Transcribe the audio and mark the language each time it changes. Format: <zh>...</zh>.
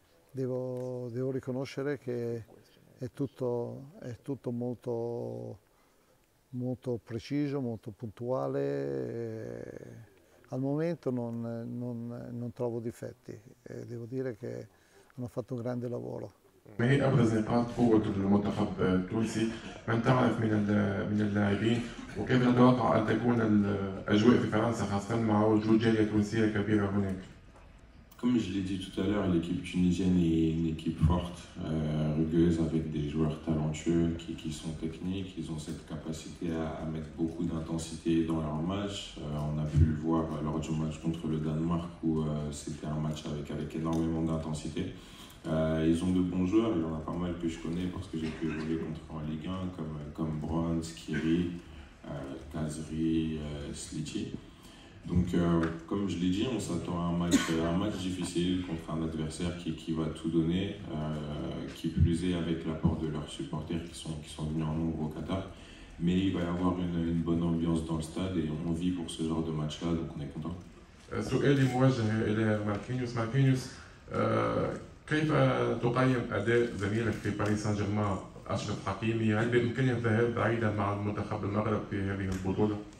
<it>Devo riconoscere che è tutto molto, molto preciso, molto puntuale. Al momento non trovo difetti e devo dire che hanno fatto un grande lavoro. Ma è</it> <ar>أبرز نقاط قوة المنتخب التونسي؟ من تعرف من اللاعبين؟ وكيف تتوقع أن تكون الأجواء في فرنسا خاصة مع وجود جالية تونسية كبيرة هناك؟ كما قلت</ar> <fr>tout à l'heure, l'équipe tunisienne est une équipe forte, rugueuse, avec des joueurs talentueux qui sont techniques. Ils ont cette capacité à mettre beaucoup d'intensité dans leurs matchs. On a pu le voir lors du match contre le Danemark où c'était un match avec énormément d'intensité. Ils ont de bons joueurs, il y en a pas mal que je connais parce que j'ai pu jouer contre eux en Ligue 1, comme Bruns, Kiri, Kazri, Sliti. Donc, comme je l'ai dit, on s'attend à un match difficile contre un adversaire qui va tout donner, qui plus est avec l'apport de leurs supporters qui sont venus en nombre au Qatar. Mais il va y avoir une bonne ambiance dans le stade et on vit pour ce genre de match-là, donc on est content.</fr> <ar>سؤالي موجه إلى ماركينيوس. ماركينيوس, كيف تقيم أداء زميلك في باريس سان جيرمان أشرف حكيمي؟ هل بإمكانه الذهاب بعيدا مع المنتخب المغرب في هذه البطولة؟</ar>